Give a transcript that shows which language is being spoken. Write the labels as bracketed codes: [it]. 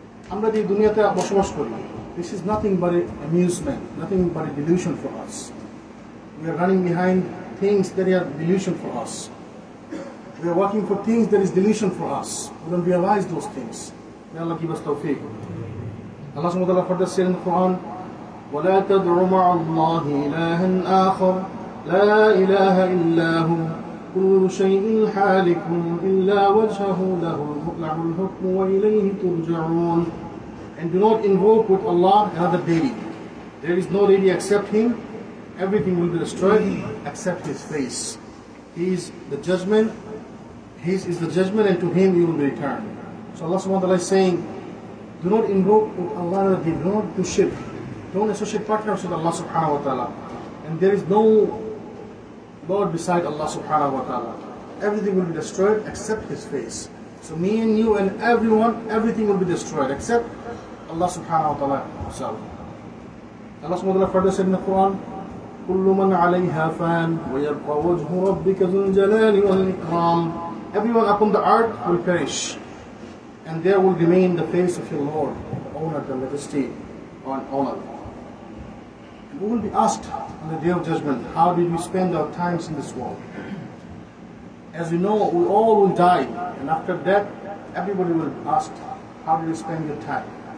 [bn] Amra di dunyate boshobash kori. [en] This is nothing but amusement, nothing but a delusion for us. We are running behind things that are delusion for us. We are working for things that is delusion for us. We don't realize those things. May Allah give us tawfiq. Allah subhanahu wa ta'ala further said in the Quran, [ar] وَلَا تَدْعُ مَعَ اللَّهِ إِلَٰهًا آخَرَ لَا إِلَٰهَ إِلَّا هُوَ كُلُّ شَيْءٍ حَالِكٌ إِلَّا وَجْهَهُ لَهُ الْمُقْلَعُ الْحُكْمُ وَإِلَيْهِ تُرْجَعُونَ. [en] And do not invoke with Allah another deity. There is no deity except Him. Everything will be destroyed except His face. He is the judgment. His is the judgment, and to Him you will return. So Allah subhanahu wa ta'ala is saying, do not invoke with Allah another deity. Do not do shirk. Don't associate partners with Allah subhanahu wa ta'ala. And there is no Lord beside Allah subhanahu wa ta'ala. Everything will be destroyed except His face. So me and you and everyone, everything will be destroyed except Allah subhanahu wa ta'ala himself. Allah subhanahu wa ta'ala further said in the Quran, [ar] كُلُّ مَنْ عَلَيْهَا فَانْ وَيَرْقَ وَجْهُ رَبِّكَ ذُو الْجَلَالِ وَالْإِكْرَامِ. [en] Everyone upon the earth will perish, and there will remain the face of your Lord, the honor, the majesty, and honor. And we will be asked on the day of judgment, how did we spend our times in this world? As we know, we all will die, and after that, everybody will be asked, how did you spend your time?